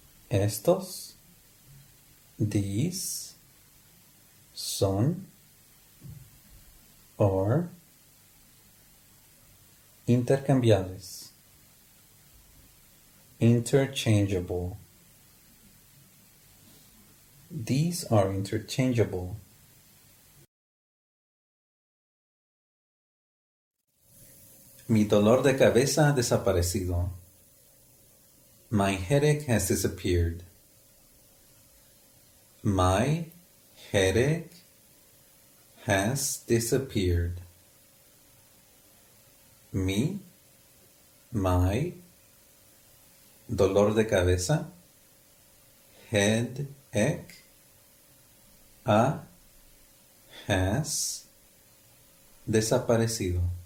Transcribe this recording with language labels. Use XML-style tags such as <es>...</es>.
<es>Estos,</es> <en>these,</en> <es>son,</es> <en>are</en> <es>Intercambiables.</es> <en>Interchangeable. These are interchangeable.</en> <es>Mi dolor de cabeza ha desaparecido.</es> <en>My headache has disappeared. My headache has disappeared. My</en> <es>dolor de cabeza,</es> <en>headache, has</en> <es>desaparecido.</es>